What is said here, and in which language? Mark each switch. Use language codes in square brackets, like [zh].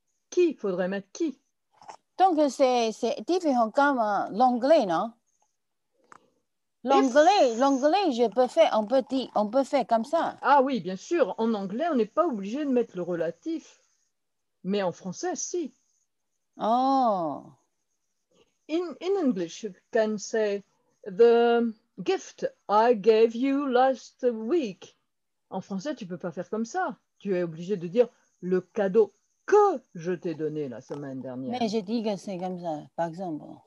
[fr] Qui faudrait mettre qui. Donc c'est différent comme l'anglais, non? L'anglais, on peut faire comme ça. Ah oui, bien sûr. En anglais, on n'est pas obligé de mettre le relatif. Mais en français, si. Oh. [en] In English, you can say, the gift I gave you last week. [fr] En français, tu ne peux pas faire comme ça. Tu es obligé de dire le cadeau que je t'ai donné la semaine dernière. Mais je dis que c'est comme ça, par exemple.